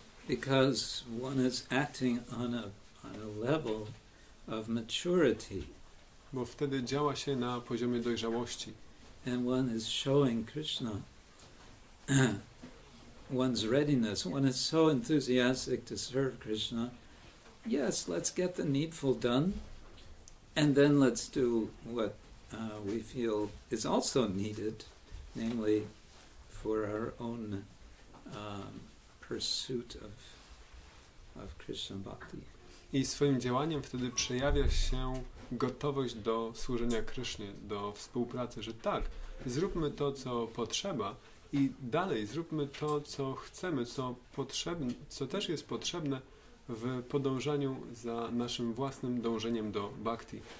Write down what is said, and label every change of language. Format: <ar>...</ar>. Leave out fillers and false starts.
<en>Because one is acting on a level of maturity.</en> <pl>Bo wtedy działa się na poziomie dojrzałości.</pl> <en>And one is showing Krishna one's readiness. One is so enthusiastic to serve Krishna. Yes, let's get the needful done. And then let's do what we feel is also needed, namely for our own pursuit of Krishna Bhakti.</en> <pl>I swoim działaniem wtedy przejawia się gotowość do służenia Krishnie, do współpracy, że tak, zróbmy to, co potrzeba i dalej zróbmy to, co chcemy, co też jest potrzebne w podążaniu za naszym własnym dążeniem do bhakti.</pl>